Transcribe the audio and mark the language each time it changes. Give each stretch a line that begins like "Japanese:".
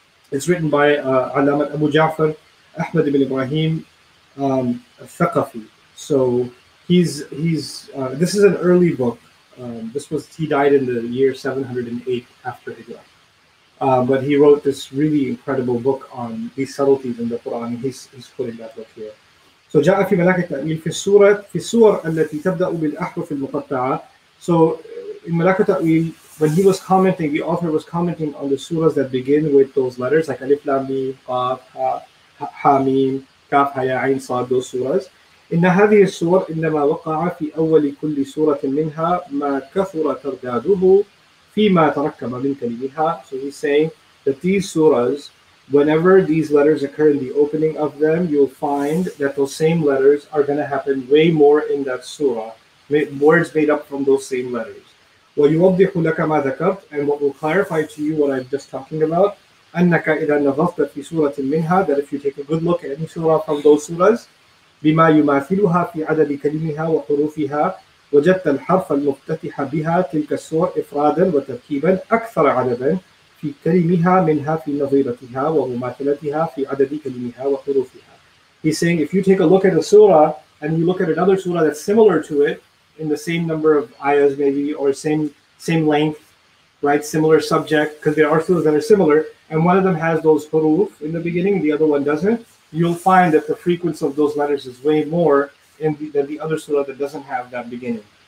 English: It's written by Alama Abu Ja'far Ahmad ibn Ibrahim al-Thaqafi. So this is an early book. He died in the year 708 after Hijrah. But he wrote this really incredible book on these subtleties in the Quran. He's quoting that book here. So
Arabic: جاء في ملاك التأويل في السورة في السور التي تبدأ بالأحرف المقطعة.
English: So in ملاك التأويل, when he was commenting, the author was commenting on the surahs that begin with those letters like
Arabic: ألف لام ميم قاف ح ميم كاف ها يا عين صاد,
English: those surahs.
Arabic: إن هذه السور إنما وقع في أول كل سورة منها ما كثر ترداده فيما تركب من كلمها.
English: So he's saying that these surahs, whenever these letters occur in the opening of them, you'll find that those same letters are going to happen way more in that surah, words made up from those same letters.
Arabic: وَيُوَضِّحُ لَكَ مَا ذَكَرْتُ,
English: and what will clarify to you what I'm just talking about,
Arabic: أَنَّكَ إِذَا نَظَفْتَ فِي سُورَةٍ مِّنْهَا,
English: that if you take a good look at any surah from those surahs,
Arabic: بِمَا يُمَاثِلُهَا فِي عَدَدِ كَلِمِهَا وَحُرُوفِهَا, وَجَدْتَ الْحَرْفَ الْمُفْتَتِحَ بِهَا تِلْكَ السُّورَ إِفْرَادًا وَتَرْكِيبًا أَكْثَرَ عَدَدًا فِي كَلِمِهَا مِنْهَا فِي نَظِيرَتِهَا وَمُمَاثِلَتِهَا فِي عَدَدِ كَلِمِهَا وَحُرُوفِهَا.
English: He's saying, if you take a look at a surah and you look at another surah that's similar to it in the same number of ayahs maybe, or same length, right, similar subject, because there are surahs that are similar, and one of them has those huruf in the beginning, the other one doesn't, you'll find that the frequency of those letters is way more than the other surah that doesn't have that beginning.